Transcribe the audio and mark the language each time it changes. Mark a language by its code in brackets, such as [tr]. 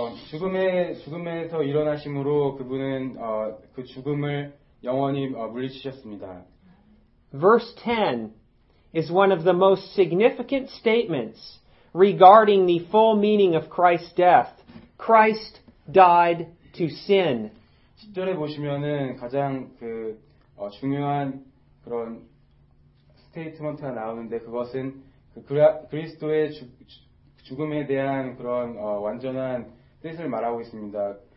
[ko] 죽음에서 일어나심으로 그분은 그 죽음을 영원히 물리치셨습니다. [en] Verse 10 is one of the most significant statements regarding the full meaning of Christ's death. Christ died to sin. [ko] 10절에 보시면은 가장 중요한 그런 스테이트먼트가 나오는데 그것은 그리스도의 죽음에 대한 그런 완전한 뜻을 말하고 있습니다.